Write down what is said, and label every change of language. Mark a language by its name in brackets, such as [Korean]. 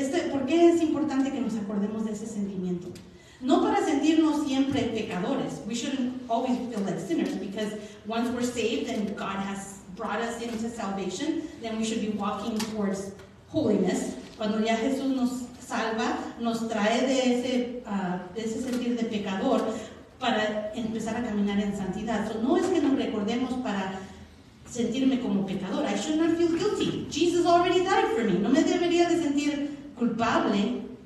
[Spanish] ¿Por qué es importante que nos acordemos de ese sentimiento? No para sentirnos siempre pecadores. [English] We shouldn't always feel like sinners, because once we're saved and God has brought us into salvation, then we should be walking towards holiness. [Spanish] Cuando ya Jesús nos salva, nos trae de ese sentir de pecador para empezar a caminar en santidad. So no es que nos recordemos para sentirme como pecador. [English] I should not feel guilty. Jesus already died for me. [Spanish] No me debería de sentir culpable.